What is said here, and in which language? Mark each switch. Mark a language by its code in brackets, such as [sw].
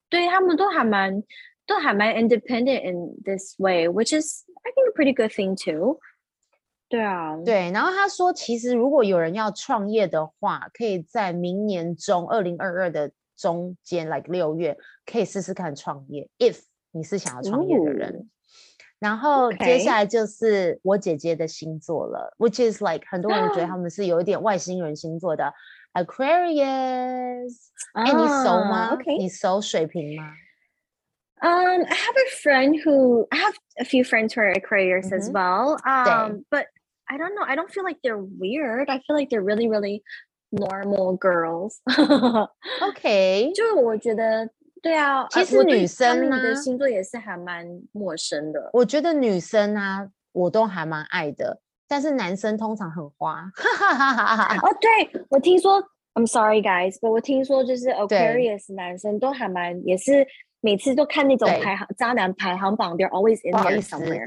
[en] 对，他们都还蛮 independent in this way， which is I think a pretty good thing too。 [zh] 对啊，对，然后他说其实如果有人要创业的话，可以在明年中2022的中间 like 六月可以试试看创业， if 你是想要创业的人、哦、然后、 [en] okay. [zh] 接下来就是我姐姐的星座了， which is like 很多人觉得他们是有一点外星人星座的、啊、 Aquarius、欸、你熟吗、 [en] okay. [zh] 你熟水瓶吗？ [en] I have a friend who, I have a few friends who are Aquarius、mm-hmm. as well. But I don't know, I don't feel like they're weird. I feel like they're really, really normal girls. Okay. [zh] 就我觉得，对啊，其实女生呢，他们的星座也是还蛮陌生的。我觉得女生啊，我都还蛮爱的，但是男生通常很花。 oh, 对，我听说， I'm sorry guys, but 我听说就是 Aquarius 男生都还蛮，也是每次都看那种排行渣男排行榜 they're always in there somewhere，